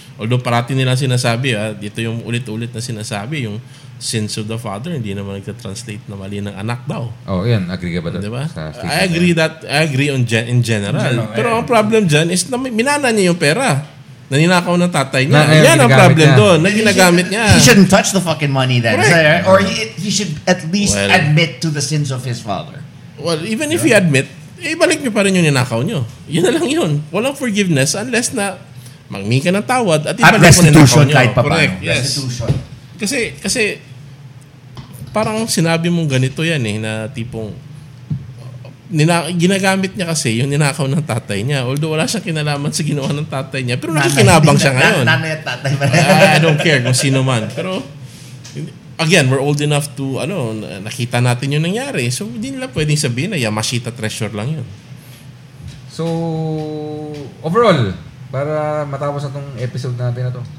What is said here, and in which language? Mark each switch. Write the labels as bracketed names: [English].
[Filipino] Although, parati nilang sinasabi, dito yung ulit-ulit na sinasabi, yung [English] sins of the father, [Filipino] hindi naman nagtatranslate na mali ng anak daw. Oh, yan. Agree ka ba doon? [English] Diba? I agree in general. [Filipino] Pero ang problem dyan is na minana niya yung pera. Naninakaw ng tatay niya. Yan ang problem doon. Na ginagamit niya. [English] He shouldn't touch the fucking money then. Right. Or he should at least admit to the sins of his father. Well, even if you admit, [Filipino] ibalik nyo pa rin yung ninakaw nyo. Yun na lang yun. Walang forgiveness unless na mangmi ka ng tawad at ibalik mo ninakaw nyo. At restitution kahit pa paano. [English] Restitution. [Filipino] Kasi, parang sinabi mong ganito yan eh, na tipong, ginagamit niya kasi yung ninakaw ng tatay niya. Although wala siyang kinalaman sa ginawa ng tatay niya, pero nakikinabang siya ngayon. Nanay at tatay. [English] I don't care [Filipino] kung sino man. Pero, again, [English] we're old enough to, [Filipino] ano, nakita natin yung nangyari. So, hindi nila pwedeng sabihin na Yamashita treasure lang yun. So, overall, para matapos natong episode natin na to.